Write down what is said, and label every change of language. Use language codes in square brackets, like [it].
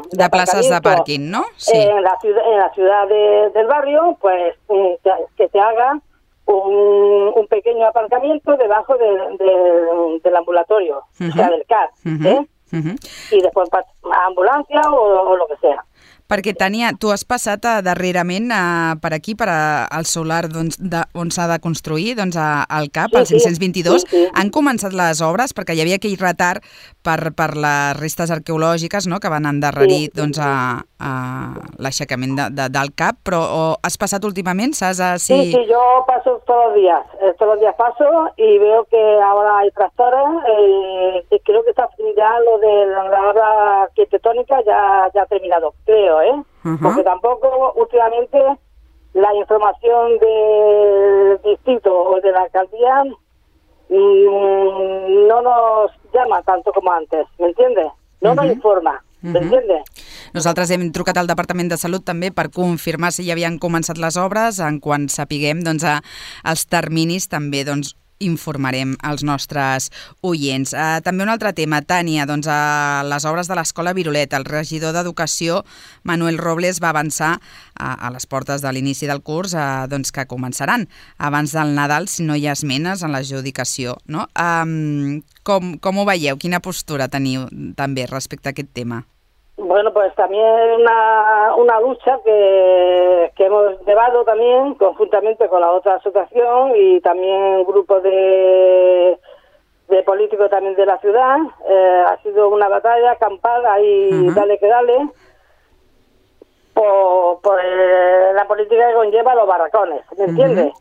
[es] plazas de parking, ¿no? Sí. En la ciudad del barrio, pues que se haga un pequeño aparcamiento debajo del ambulatorio, uh-huh, o sea, del CAR, uh-huh. Y después ambulancia o lo que sea. [ca] Perquè, Tània, tu has passat darrerament per aquí, per al solar, doncs, on s'ha de construir, doncs, al CAP, al 522. Sí, sí. Han començat les obres perquè hi havia aquell retard per les restes arqueològiques, no?, que van endarrerir, sí, doncs, a l'aixecament del CAP. Però has passat últimament? Sí, sí, jo passo tots els dies passo i veo que ara hi ha tractores i crec que està ja lo de la obra arquitectònica ya ha terminat. [es] Creo, porque tampoco últimamente la información del distrito o de la alcaldía no nos llama tanto como antes, ¿me entiendes? No nos informa, ¿me entiendes? [ca] Nosaltres hem trucat al Departament de Salut també per confirmar si ja havien començat les obres. En quan sapiguem, doncs, els terminis, també, doncs, informarem els nostres oients. També un altre tema, Tània, doncs, les obres de l'escola Virolet. El regidor d'Educació, Manuel Robles, va avançar a les portes de l'inici del curs, doncs, que començaran abans del Nadal, si no hi ha esmenes en l'adjudicació, no? Com ho veieu? Quina postura teniu també respecte a aquest tema? [es] Bueno, pues también una lucha que hemos llevado también conjuntamente con la otra asociación y también un grupo de políticos también de la ciudad. Ha sido una batalla campal ahí, dale que dale, por la política que conlleva los barracones, ¿me entiendes?